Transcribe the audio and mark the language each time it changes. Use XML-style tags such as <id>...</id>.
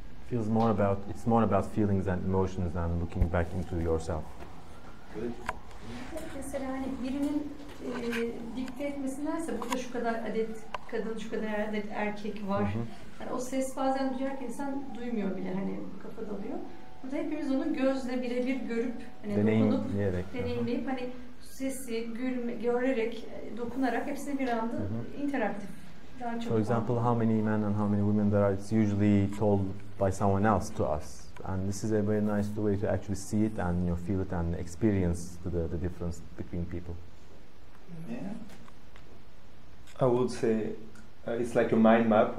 <en>feels more about, it's more about feelings and emotions than looking back into yourself.</en> <tr>Evet, mesela hani birinin dikte etmesindense, burada şu kadar adet kadın, şu kadar adet erkek var. Mm-hmm. Yani o ses bazen duyarken insan duymuyor bile, hani kafa dalıyor. Burada hepimiz onu gözle birebir görüp, hani deneyimleyip, hani sesi görerek, dokunarak hepsini bir anda interaktif.</tr> <en>For example, how many men and how many women there are, it's usually told by someone else to us. And this is a very nice way to actually see it and, you know, feel it and experience the difference between people. Yeah. I would say it's like a mind map.</en>